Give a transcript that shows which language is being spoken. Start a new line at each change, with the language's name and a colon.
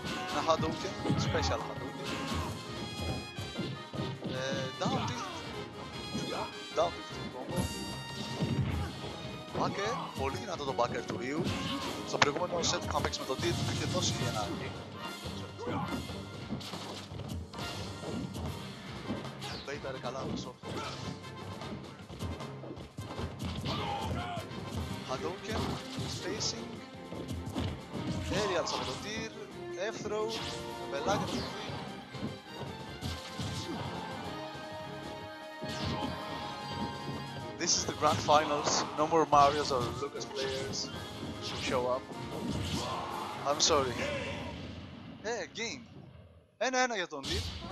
Greek: Ένα Hadouken, special Hadouken. Down tilt. Down tilt στο combo. Backer, πολύ δυνατό το backer του Ryu. Στο προηγούμενο set που είχα παίξει με τον Tilt του είχε δώσει ένα kick. Βέιταρε καλά το short. Hadouken, spacing, aerials από το tier, F-throw, πελάκι του tier.
English: This is the grand finals, no more Marios or Lucas players should show up. I'm sorry. Hey, game!
Greek: Ένα-ένα για τον tier.